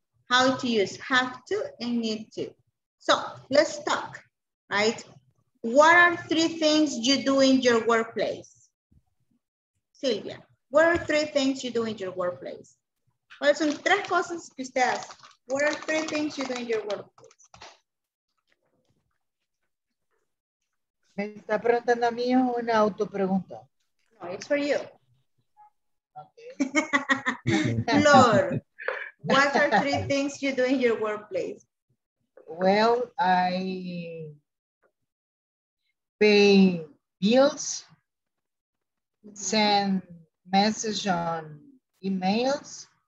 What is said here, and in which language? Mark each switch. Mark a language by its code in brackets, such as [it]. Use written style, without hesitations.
[en] How to use have to and need to. So, let's talk, right? What are three things you do in your workplace? Silvia, what are three things you do in your workplace? [es] ¿Cuáles son tres cosas que usted hace? [en] What are three things you do in your workplace? [es] ¿Me está preguntando a mí o una autopregunta? [en] No, it's for you. Okay. Flor, what are three things you do in your workplace? Well, I pay bills, send messages on emails.